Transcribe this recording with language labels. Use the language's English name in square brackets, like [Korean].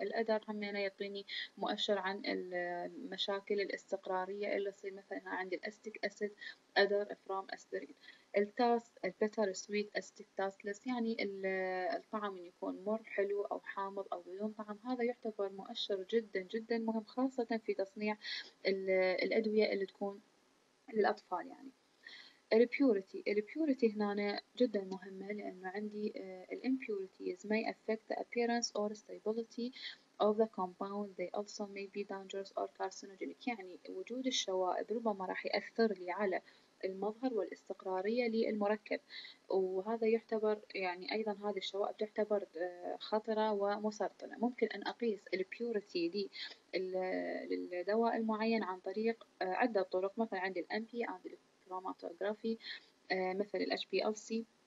[Arabic] الأدر هم يعني يعطيني مؤشر عن المشاكل الاستقرارية اللي تصير مثلاً عند الأستيك أسيد، أدر فروم أسبرين. التاس البتر سويت أستيك تاسلس، يعني الطعم يكون مر، حلو أو حامض أو بدون طعم. هذا يعتبر مؤشر جداً جداً مهم خاصة في تصنيع الأدوية اللي تكون للأطفال. يعني البيوريتي هنا جدا مهمة، لأنه عندي [English] impurities may affect the appearance or stability of the compound. They also may be dangerous or carcinogenic. [Arabic] يعني وجود الشوائب ربما راح يأثر لي على المظهر والاستقرارية للمركب، وهذا يعتبر يعني أيضا هذه الشوائب تعتبر خطرة ومسرطنة. ممكن أن أقيس البيوريتي للدواء المعين عن طريق عدة طرق، مثلا عندي الأمبي، عندي كروماتوغرافي، مثل الـ HPLC.